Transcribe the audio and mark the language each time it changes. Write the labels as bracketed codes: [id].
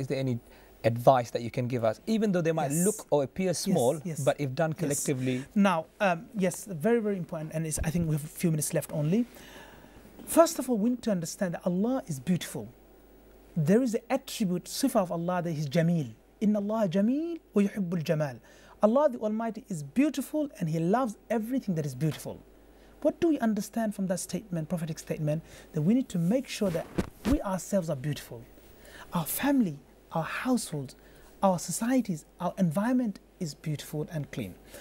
[en] Is there any advice that you can give us, even though they might look or appear small, but if done collectively? Now, very, very important, and I think we have a few minutes left only. First of all, we need to understand that Allah is beautiful. There is an attribute, sifa of Allah, that He's Jameel. [ar] إن الله جميل ويحب الجمال. [en] Allah the Almighty is beautiful and He loves everything that is beautiful. What do we understand from that statement, prophetic statement, that we need to make sure that we ourselves are beautiful? Our family, our households, our societies, our environment is beautiful and clean.